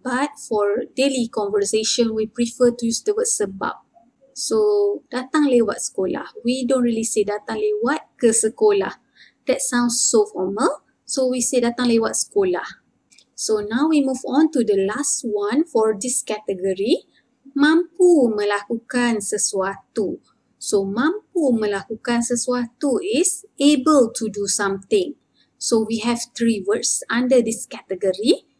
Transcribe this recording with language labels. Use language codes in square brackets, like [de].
[en] But for daily conversation, we prefer to use the word sebab. So, [ms] datang lewat sekolah. [en] We don't really say [ms] datang lewat ke sekolah. [en] That sounds so formal. So we say [ms] datang lewat sekolah. [en] So now we move on to the last one for this category. [ms] Mampu melakukan sesuatu. [en] So [ms] mampu melakukan sesuatu [en] is able to do something. So we have three words under this category.